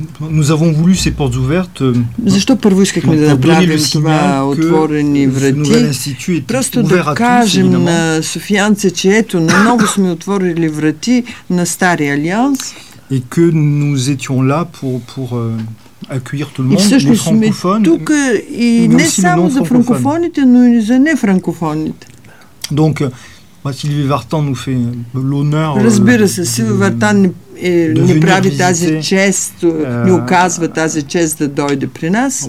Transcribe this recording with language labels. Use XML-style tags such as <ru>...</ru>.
<fr>Nous avons voulu ces portes ouvertes.</fr> <bg>Защо първо искахме да направим това отворени врати? Просто да кажем на софиянци, че ето, наново сме отворили врати на стария алианс.</bg> <fr>Et que nous étions là pour accueillir tout le monde, les francophones.</fr> <bg>Тук и не само за франкофоните, но и за нефранкофоните.</bg> <fr>Donc, Sylvie Vartan nous fait l'honneur.</fr> <bg>Разбира се, Sylvie Vartan ни прави тази чест, ни оказва тази чест да дойде при нас.</bg>